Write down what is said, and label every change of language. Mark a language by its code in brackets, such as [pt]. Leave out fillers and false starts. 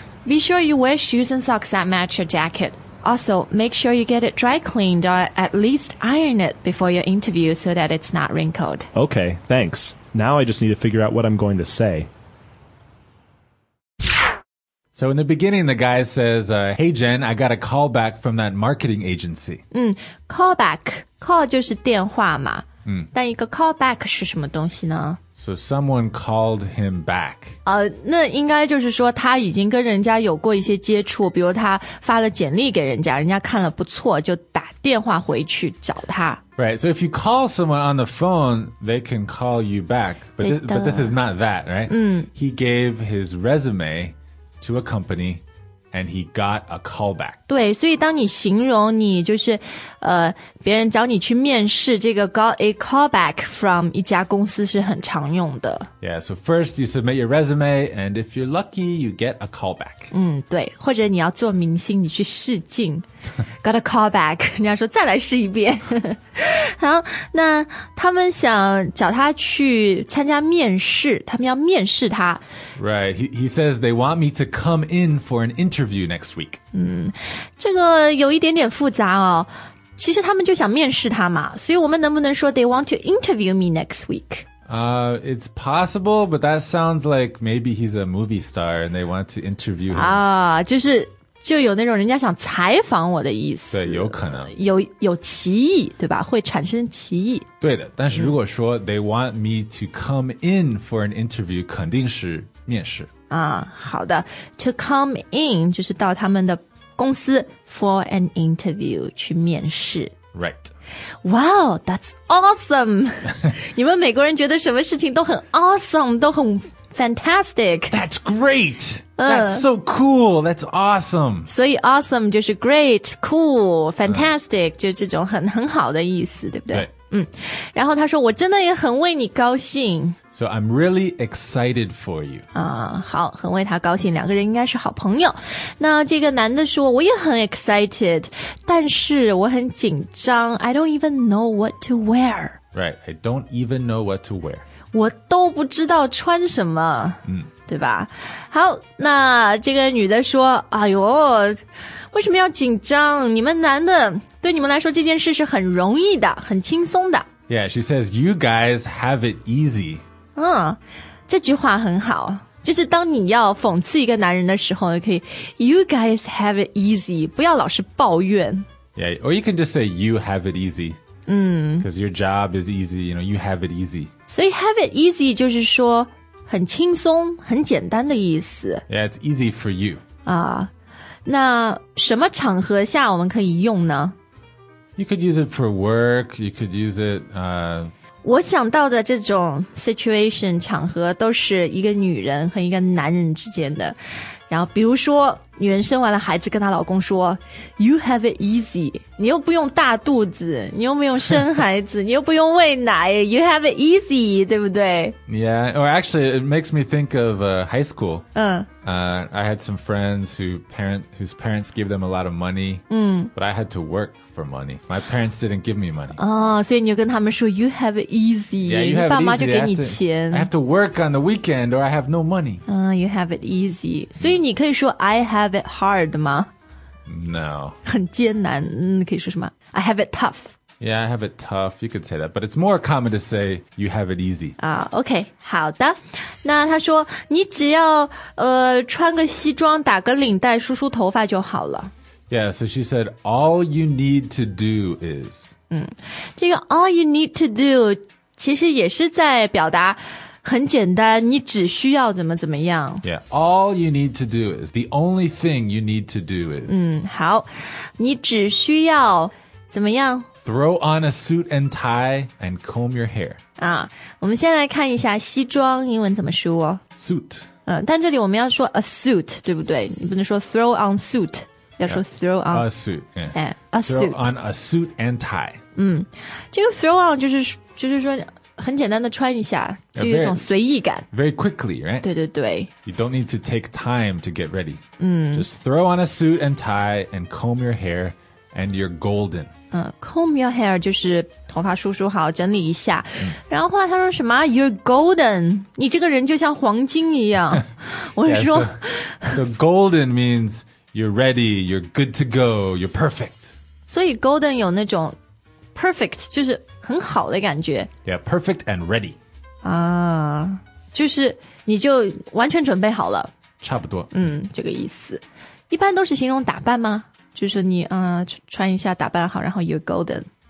[en] Be sure you wear shoes and socks that match your jacket. Also, make sure you get it dry-cleaned or at least iron it before your interview so that it's not wrinkled. Okay, thanks. Now I just need to figure out what I'm going to say. So in the beginning, the guy says, hey, Jen, I got a call back from that marketing agency. Call back. [zh] Call 就是电话嘛。但一个 [en] call back [zh] 是什么东西呢？ [en] So someone called him back. [zh] 那应该就是说他已经跟人家有过一些接触，比如他发了简历给人家，人家看了不错，就打电话回去找他。 [en] Right, so if you call someone on the phone, they can call you back. But this is not that, right? He gave his resume... to a company, and he got a callback. [zh] 对，所以当你形容你就是别人找你去面试，这个 [en] got a callback from [zh] 一家公司是很常用的。 [en] Yeah, so first you submit your resume, and if you're lucky, you get a callback. [zh] 对，或者你要做明星，你去试镜 ， [en] got a callback， [zh] 人家说再来试一遍。好，那他们想找他去参加面试，他们要面试他。 [en] Right, he says they want me to come in for an interview next week. [zh] 这个有一点点复杂哦。其实他们就想面试他嘛，所以我们能不能说 [en] they want to interview me next week? It's possible, but that sounds like maybe he's a movie star and they want to interview him. [zh] 就有那种人家想采访我的意思。对，有可能。有歧义，对吧？会产生歧义。对的，但是如果说 [en] they want me to come in for an interview, [zh] 肯定是面试。好的。 [en] To come in [zh] 就是到他们的公司 [en] for an interview [zh] 去面试。 [en] Right. Wow, that's awesome. [zh] 你们美国人觉得什么事情都很 awesome, 都很 fantastic. [en] That's great. That's so cool. That's awesome. [zh] 所以 awesome 就是 great, cool, fantastic, 就这种很好的意思，对不对？对。然后他说我真的也很为你高兴。 [en] So I'm really excited for you. [zh] 好，很为他高兴，两个人应该是好朋友。那这个男的说我也很 excited, 但是我很紧张。 [en] I don't even know what to wear. Right, I don't even know what to wear. [zh] 我都不知道穿什么。对吧？好，那这个女的说哎呦，为什么要紧张？你们男的，对你们来说这件事是很容易的，很轻松的。 [en] Yeah, she says, you guys have it easy. [zh] 这句话很好，就是当你要讽刺一个男人的时候，可以 [en] you guys have it easy, [zh] 不要老是抱怨。 [en] Yeah, or you can just say, you have it easy. Because your job is easy, you know, you have it easy. [zh] 所以 [en] have it easy [zh] 就是说很轻松，很简单的意思。 [en] Yeah, it's easy for you. [zh] 那什么场合下我们可以用呢？ [en] You could use it for work, you could use it... [zh] 我想到的这种 situation 场合都是一个女人和一个男人之间的。然后比如说女人生完了孩子跟她老公说 [en] You have it easy. [zh] 你又不用大肚子，你又不用生孩子，你又不用喂奶。 [en] You have it easy, [zh] 对不对？ [en] Yeah, or actually it makes me think of high school. I had some friends whose parents gave them a lot of money, but I had to work for money. My parents didn't give me money. Oh, so you can tell them, you have it easy. Yeah, you have it easy. I have to work on the weekend or I have no money. Oh, you have it easy. So you can say, I have it hard, ma? No. [zh] 很艰难，可以说什么? [en] I have it tough. Yeah, I have it tough. You could say that. But it's more common to say, you have it easy. [zh] Okay, 好的。那他说，你只要穿个西装，打个领带，梳梳头发就好了。 [en] Yeah, so she said, all you need to do is... [zh] 这个 [en] all you need to do [zh] 其实也是在表达很简单，你只需要怎么怎么样。 [en] Yeah, all you need to do is, the only thing you need to do is... [zh] 好，你只需要怎么样？ [en] Throw on a suit and tie and comb your hair. [zh] 我们先来看一下西装英文怎么说。 [en] Suit. [zh] 但这里我们要说 a suit, 对不对？你不能说 [en] throw on suit, [zh] 要说 [en] throw on... A suit, yeah. A suit. Throw on a suit and tie. [zh] 这个 [en] throw on [zh] 就是说很简单的穿一下，就有一种随意感。 [en] Very quickly, right? [zh] 对对对。 [en] You don't need to take time to get ready. Just throw on a suit and tie and comb your hair and you're golden. [zh] Comb your hair 就是头发梳梳好，整理一下。然后后来他说什么 ？ [en] You're golden， [zh] 你这个人就像黄金一样。我是说 [en] so golden means you're ready, you're good to go, you're perfect. [zh] 所以 golden 有那种 perfect 就是很好的感觉。 [en] Yeah, perfect and ready. [zh] 就是你就完全准备好了。差不多。这个意思。一般都是形容打扮吗？就是你穿一下打扮好，然后 [en] you're golden.